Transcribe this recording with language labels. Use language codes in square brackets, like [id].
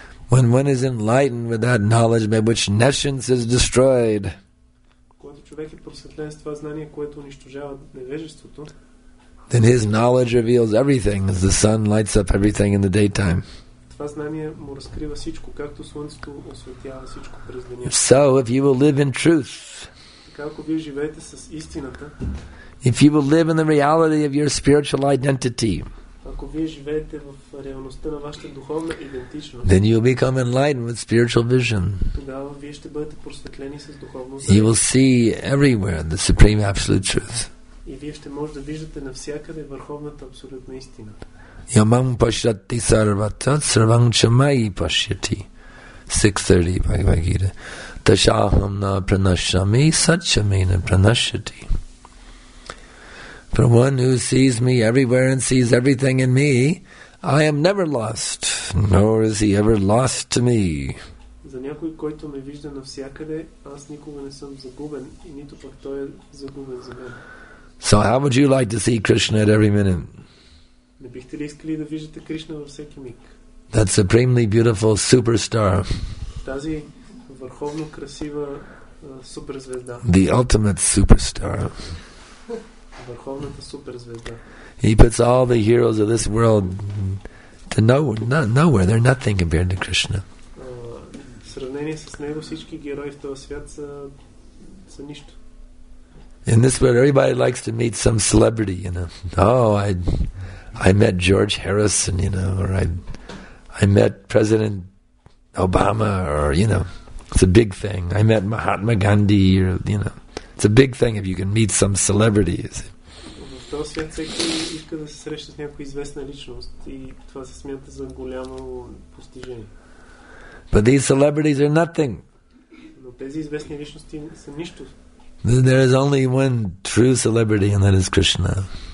[en] When one is enlightened with that knowledge by which nescience is destroyed, [bg] когато човек е просветлен с това знание, което унищожава невежеството, [en] then his knowledge reveals everything as the sun lights up everything in the daytime. [bg] Това знание му разкрива всичко, както слънцето осветява всичко през деня. [en] So if you will live in truth, [bg] така ако вие живеете с истината, [en] if you will live in the reality of your spiritual identity, [bg] ако вие живеете в реалността на вашата духовна идентичност, [en] then you will become enlightened with spiritual vision. [bg] Тогава вие ще бъдете просветлени с духовно зрение. [en] You will see everywhere the supreme absolute truth. [bg] И вие ще може да виждате навсякъде върховната абсолютна истина. Ямам пашати сарвата, сарвам чамай пашати. [en] 6:30 Bhagavad Gita. Дашахам на пранашами, сачами на пранашати. For one who sees me everywhere and sees everything in me, I am never lost, nor is he ever lost to me. [bg] За някой, който ме вижда навсякъде, аз никога не съм загубен и нито пък той е загубен за мен. [en] So how would you like to see Krishna at every minute? [bg] Не бихте ли искали да виждате Кришна във всеки миг? [en] That supremely beautiful superstar. [bg] Тази върховно красива суперзвезда. [en] The ultimate superstar. [bg] Върховната суперзвезда. [en] He puts all the heroes of this world to nowhere. They're nothing compared to Krishna. [bg] В сравнение с него всички герои в този свят са нищо. [en] In this world, everybody likes to meet some celebrity, you know. Oh, I met George Harrison, you know, or I met President Obama, or, you know, it's a big thing. I met Mahatma Gandhi, or, you know, it's a big thing if you can meet some celebrity, you see. [bg] В този свят всеки иска да се среща с някоя известна личност и това се смята за голямо постижение. [en] But these celebrities are nothing. [bg] Но тези известни личности са нищо. [en] There is only one true celebrity, and that is Krishna.